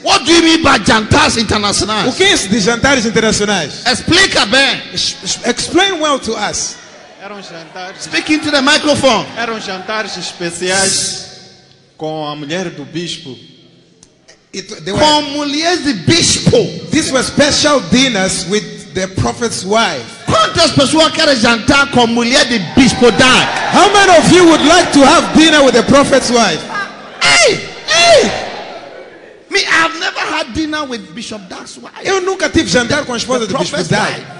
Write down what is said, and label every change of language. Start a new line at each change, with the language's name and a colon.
English: What do you mean by jantares internacionais?
Portuguese: O que é isso de jantares internacionais? Explica bem.
English: Explain well to us.
Portuguese: Eram jantares.
English: Speak into the microphone.
Portuguese: Eram jantares especiais com a mulher do bispo. Com mulheres de bispo.
English: This was special dinners with the prophet's wife.
Portuguese: Quantas pessoas querem jantar com mulher de bispo Dan?
English: How many of you would like to have dinner with the prophet's wife? Hey! Hey! Me, I have never had dinner with Bishop Dan's wife.
Portuguese: Eu nunca tive jantar com a esposa do bispo Dan.